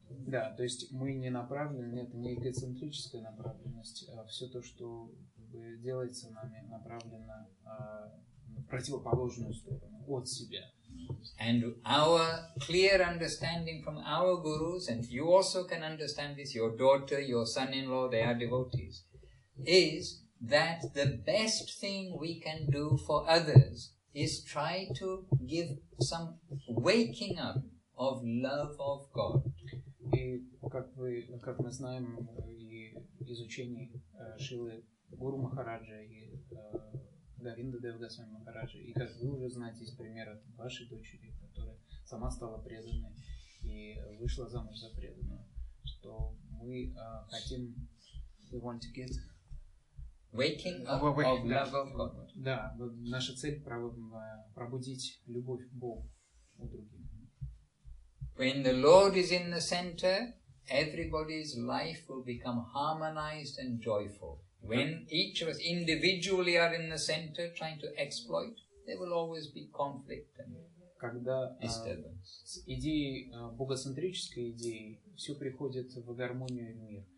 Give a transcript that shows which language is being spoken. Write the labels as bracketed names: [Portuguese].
[Russian] Да, то есть мы не направлены. Это не эгоцентрическая направленность. Все то, что делается нами, направлено в противоположную сторону от себя. [English] And our clear understanding from our gurus, and you also can understand this. Your daughter, your son-in-law, they are devotees. Is that the best thing we can do for others is try to give some waking up of love of God. [Russian] И как вы, как мы знаем, и изучение Шилы Гуру Махараджа и Говинда Девгасвами Махараджа, и как вы уже знаете из примера вашей дочери, которая сама стала преданной и вышла замуж за преданную, что мы хотим, [English] we want to get waking up of love of God. [Russian] Да, вот наша цель пробудить любовь к Богу у других. [English] When the Lord is in the center, everybody's life will become harmonized and joyful. When each of us individually are in the center trying to exploit, there will always be conflict and [Russian] когда, [English] disturbance. [Russian] С идеей, богоцентрической идеей, все приходит в гармонию в мир.